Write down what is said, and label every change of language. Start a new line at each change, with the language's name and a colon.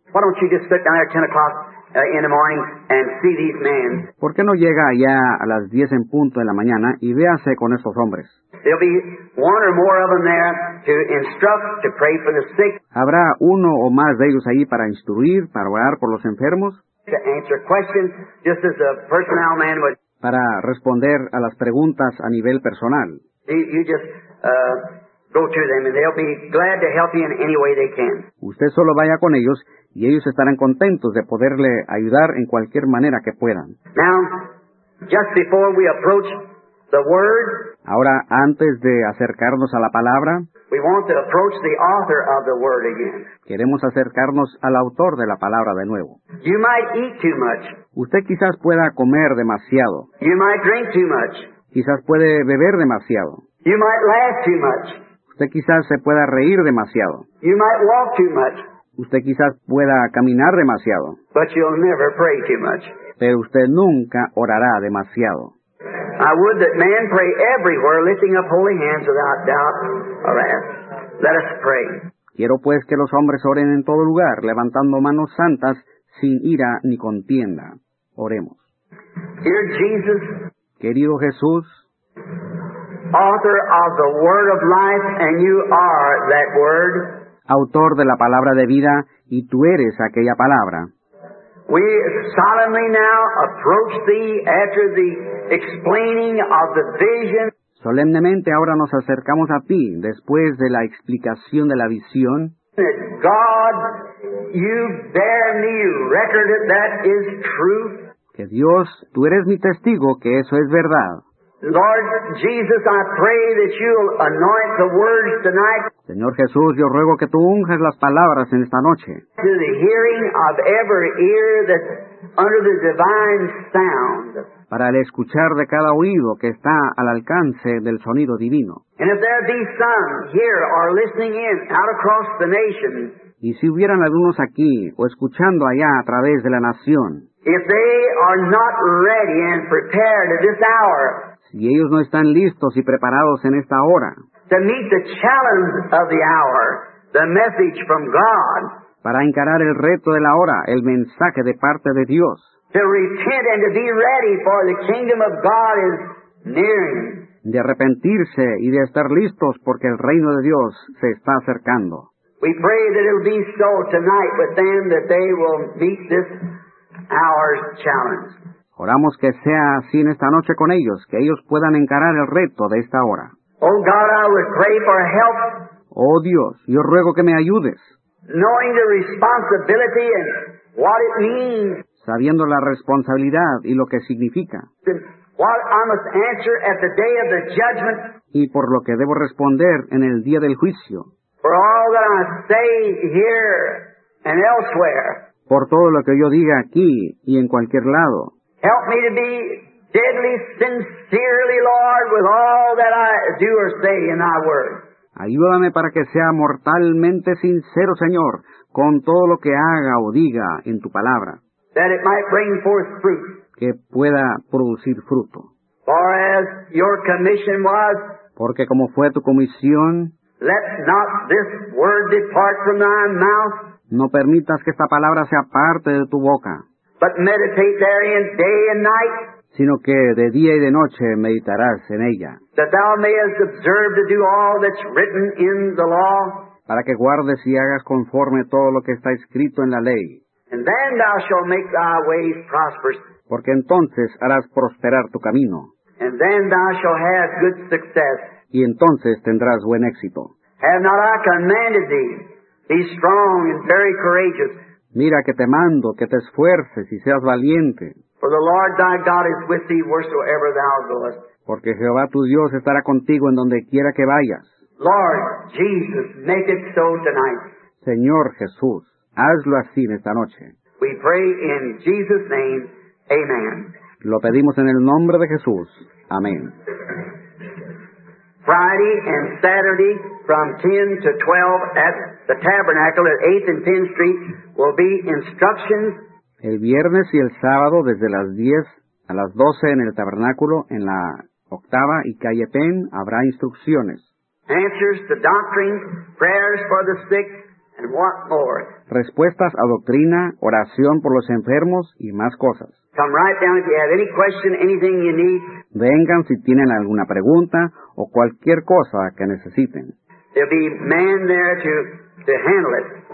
English: why don't you just sit down there at 10 o'clock in the morning and see these men.
Spanish: ¿Por qué no llega allá a las 10 en punto de la mañana y véase con estos hombres?
English: There'll be one or more of them there to instruct, to pray for the sick.
Spanish: ¿Habrá uno o más de ellos ahí para instruir, para orar por los enfermos?
English: To answer questions, just as a personnel man would.
Spanish: Para responder a las preguntas a nivel personal.
English: You just go to them, and they'll be glad to help you in any way they can.
Spanish: Usted solo vaya con ellos, y ellos estarán contentos de poderle ayudar en cualquier manera que puedan.
English: Now, just before we approach the Word,
Spanish: ahora, antes de acercarnos a la palabra,
English: we want to approach the author of the Word again.
Spanish: Queremos acercarnos al autor de la palabra de nuevo.
English: You might eat too much.
Spanish: Usted quizás pueda comer demasiado.
English: You might drink too much.
Spanish: Quizás puede beber demasiado.
English: You might laugh too much.
Spanish: Usted quizás se pueda reír demasiado.
English: You might walk too much.
Spanish: Usted quizás pueda caminar demasiado.
English: But you'll never pray too much.
Spanish: Pero usted nunca orará demasiado.
English: I would that man pray everywhere, lifting up holy hands without doubt or ask. Let us pray.
Spanish: Quiero pues que los hombres oren en todo lugar, levantando manos santas, sin ira ni contienda. Oremos.
English: Dear Jesus,
Spanish: querido Jesús,
English: author of the Word of Life, and you are that Word.
Spanish: Autor de la palabra de vida, y tú eres aquella palabra.
English: We solemnly now approach thee after the explaining of the vision.
Spanish: Solemnemente ahora nos acercamos a ti después de la explicación de la visión.
English: God, you bear me record that that is truth.
Spanish: Que Dios, tú eres mi testigo que eso es verdad.
English: Lord Jesus, I pray that you'll anoint the words tonight.
Spanish: Señor Jesús, yo ruego que tú unjas las palabras en esta noche.
English: To the hearing of every ear that's under the divine sound.
Spanish: Para el escuchar de cada oído que está al alcance del sonido divino.
English: And if there be some here or listening in out across the nation.
Spanish: Y si hubieran algunos aquí o escuchando allá a través de la nación.
English: If they are not ready and prepared at this hour.
Spanish: Si ellos no están listos y preparados en esta hora.
English: To meet the challenge of the hour, the message from God.
Spanish: Para encarar el reto de la hora, el mensaje de parte de Dios.
English: To repent and to be ready, for the kingdom of God is nearing.
Spanish: De arrepentirse y de estar listos, porque el reino de Dios se está acercando.
English: We pray that it'll be so tonight with them, that they will meet this hour's challenge.
Spanish: Oramos que sea así en esta noche con ellos, que ellos puedan encarar el reto de esta hora.
English: Oh God, I would pray for help.
Spanish: Oh Dios, yo ruego que me ayudes.
English: Knowing the responsibility and what it means.
Spanish: Sabiendo la responsabilidad y lo que significa.
English: What I must answer at the day of the judgment.
Spanish: Y por lo que debo responder en el día del juicio.
English: For all that I say here and elsewhere.
Spanish: Por todo lo que yo diga aquí y en cualquier lado.
English: Help me to be deadly sincerely, Lord, with all that I do or say in thy word.
Spanish: Ayúdame para que sea mortalmente sincero, Señor, con todo lo que haga o diga en tu palabra.
English: That it might bring forth fruit.
Spanish: Que pueda producir fruto.
English: For as your commission was.
Spanish: Porque como fue tu comisión.
English: Let not this word depart from thy mouth.
Spanish: No permitas que esta palabra sea parte de tu boca.
English: But meditate therein day and night.
Spanish: Sino que de día y de noche meditarás en ella.
English: That thou mayest observe to do all that's written in the law.
Spanish: Para que guardes y hagas conforme todo lo que está escrito en la ley.
English: And then thou shalt make thy ways prosperous.
Spanish: Porque entonces harás prosperar tu camino.
English: And then thou shalt have good success.
Spanish: Y entonces tendrás buen éxito.
English: Have not I commanded thee, be strong and very courageous.
Spanish: Mira que te mando, que te esfuerces y seas valiente.
English: For the Lord thy God is with thee wheresoever thou goest.
Spanish: Porque Jehová tu Dios estará contigo en donde quiera que vayas.
English: Lord Jesus, make it so tonight.
Spanish: Señor Jesús, hazlo así en esta noche.
English: We pray in Jesus' name, amen.
Spanish: Lo pedimos en el nombre de Jesús. Amén.
English: Friday and Saturday from 10 to 12 at the Tabernacle at 8th and 10th Street will be instructions.
Spanish: El viernes y el sábado desde las 10 a las 12 en el Tabernáculo en la octava y calle Penn habrá instrucciones.
English: Answers to doctrine, prayers for the sick, And what more?
Spanish: Respuestas a doctrina, oración por los enfermos y más cosas.
English: Come right down if you have any question, anything you need.
Spanish: Vengan si tienen alguna pregunta o cualquier cosa que necesiten.
English: There'll be men there to handle it.